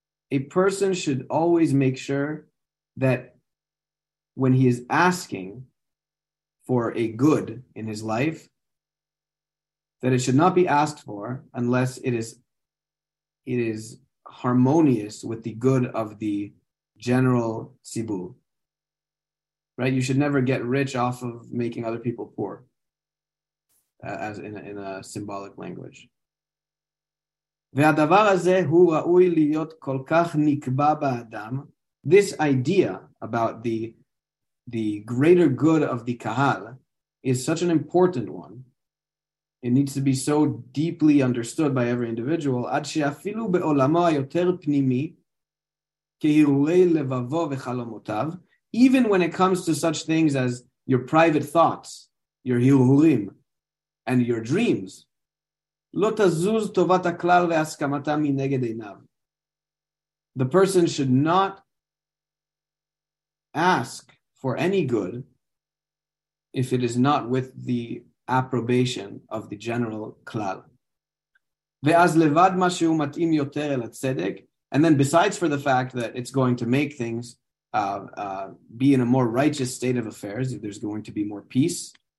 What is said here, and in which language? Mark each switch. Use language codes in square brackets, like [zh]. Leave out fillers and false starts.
[en] A person should always make sure that when he is asking for a good in his life, that it should not be asked for unless it is harmonious with the good of the general tzibur. Right, you should never get rich off of making other people poor, as in a symbolic language. [he] והדבר הזה הוא ראוי להיות כל כך נקבע באדם. [en] This idea about the greater good of the kahal is such an important one. It needs to be so deeply understood by every individual. [he] עד שאפילו בעולמו היותר פנימי, כהירורי לבבו וחלומותיו, [en] even when it comes to such things as your private thoughts, your hirhurim, and your dreams, [he] לא תזוז טובת הכלל והסכמתה מנגד עיניו. [en] The person should not ask for any good if it is not with the approbation of the general klal. [he] ואז לבד משהו מתאים יותר אל הצדק, [en] and then besides for the fact that it's going to make things be in a more righteous state of affairs, if there's going to be more peace.